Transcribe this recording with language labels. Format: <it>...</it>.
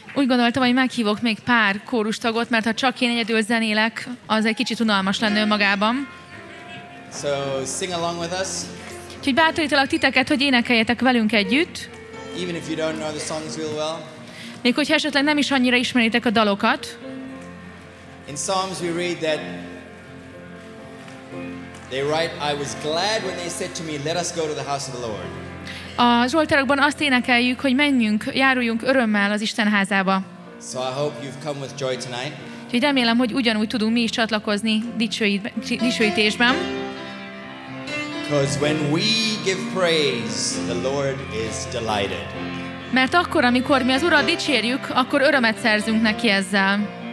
<hu>Úgy gondoltam, hogy meghívok még pár kórustagot, mert ha csak én egyedül zenélek, az egy kicsit unalmas lenne önmagában.</hu> <en>So, sing along with us.</en> <hu>Úgyhogy bátorítalak titeket, hogy énekeljetek velünk együtt.</hu> <en>Even if you don't know the songs real well.</en> <hu>Még hogyha esetleg nem is annyira ismeritek a dalokat.</hu> <en>In Psalms we read that they write, I was glad when they said to me, let us go to the house of the Lord.</en> <hu>A zsoltárokban azt énekeljük, hogy menjünk, járuljunk örömmel az Isten házába.</hu> <en>So I hope you've come with joy tonight.</en> <hu>Úgyhogy remélem, hogy ugyanúgy tudunk mi is csatlakozni dicsőítésben.</hu> <en>Because when we give praise, the Lord is delighted.</en> <hu>Mert akkor, amikor mi az Urat dicsérjük, akkor örömet szerzünk neki ezzel.</hu>